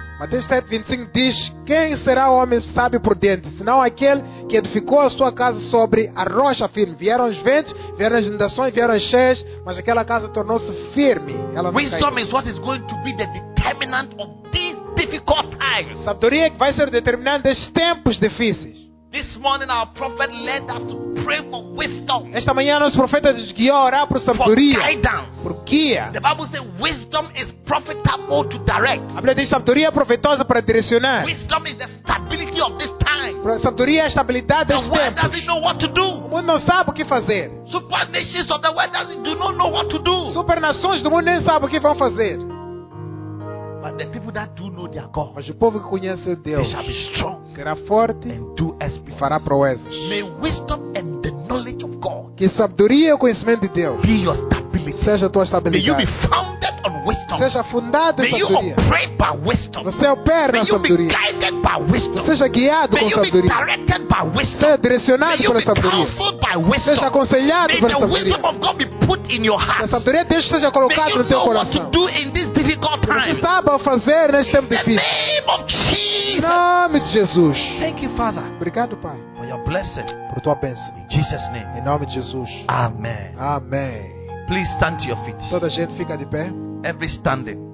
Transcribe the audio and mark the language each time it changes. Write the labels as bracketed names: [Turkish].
[Portuguese] Mateus 7:25 diz: quem será o homem sábio prudente, senão aquele que edificou a sua casa sobre a rocha firme? Vieram os ventos, vieram as inundações, vieram as cheias, mas aquela casa tornou-se firme. Ela não [English] wisdom [Portuguese] caiu. [English] Is what is going to be the determinant of these difficult times. [Portuguese] Sabedoria que vai ser determinante destes tempos difíceis. [English] This morning our prophet led us to pray for wisdom. [Portuguese] Esta manhã nosso profeta nos guiou a orar por sabedoria. [English] For guidance. [Portuguese] Por guia. [English] The Bible says wisdom is profitable to direct. [Portuguese] A Bíblia diz sabedoria é profetosa para direcionar. [English] Wisdom is the stability of this time. [Portuguese] Para sabedoria é a estabilidade deste tempo. [English] The world doesn't know what to do. [Portuguese] O mundo não sabe o que fazer. [English] Super nations of the world do not know what to do. [Portuguese] Super nações do mundo nem sabem o que vão fazer. [English] But the people that do know their God, [Portuguese] mas o povo que conhece o Deus, [English] they shall be strong, [Portuguese] será forte [English] and do exploits, [Portuguese] e fará proezas. [English] May wisdom and the knowledge of God, [Portuguese] que sabedoria e o conhecimento de Deus, [English] be your stability, [Portuguese] seja a tua estabilidade. [English] May you be founded on wisdom, [Portuguese] seja fundado em sabedoria. [English] May you operate by wisdom, [Portuguese] você opera na sabedoria. [English] May you be guided by wisdom, [Portuguese] seja guiado com sabedoria. [English] May you be directed by wisdom, [Portuguese] seja direcionado pela sabedoria. [English] May you be counseled by wisdom, [Portuguese] seja aconselhado pela sabedoria. [English] May the wisdom of God be put in your heart, [Portuguese] a sabedoria de Deus seja colocada no teu coração. [English] May you know what to do in this difficult time. [Portuguese] Você sabe a fazer neste tempo difícil. [English] In the name of Jesus. [Portuguese] Em nome de Jesus. [English] Thank you, Father. [Portuguese] Obrigado, Pai. [English] For your blessing. [Portuguese] Por tua bênção. [English] In Jesus' name. [Portuguese] Em nome de Jesus. Amém. Amém. [English] Please stand to your feet. [Portuguese] Toda gente fica de pé. [English] Every standing.